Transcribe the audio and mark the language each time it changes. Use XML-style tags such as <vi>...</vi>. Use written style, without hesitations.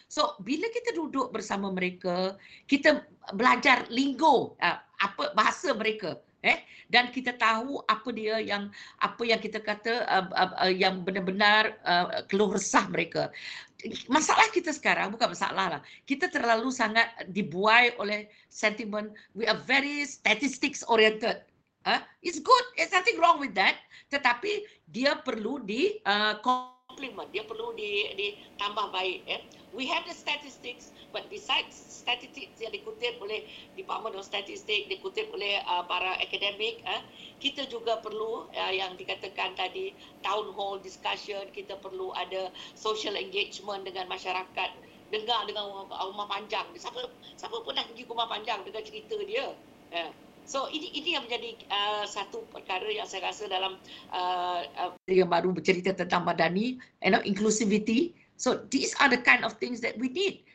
<ms>So bila kita duduk bersama mereka, kita belajar linggo apa bahasa mereka, dan kita tahu apa dia yang apa yang kita kata yang benar-benar keluh resah mereka. Masalah kita sekarang bukan masalah lah. Kita terlalu sangat dibuai oleh sentiment.</ms> <en>We are very statistics oriented. It's good. There's nothing wrong with that.</en> <ms>Tetapi dia perlu di complement. Dia perlu ditambah baik. Eh?</ms> <en>We have the statistics, but besides statistics</en> <ms>yang dikutip oleh Department of Statistics, dikutip oleh para akademik, kita juga perlu yang dikatakan tadi town hall discussion. Kita perlu ada social engagement dengan masyarakat. Dengar dengan rumah panjang. Siapa pun nak pergi rumah panjang dengan cerita dia. So ini yang menjadi satu perkara yang saya rasa dalam yang baru bercerita tentang Madani,</ms> <en>you know, inclusivity. So these are the kind of things that we need.</en>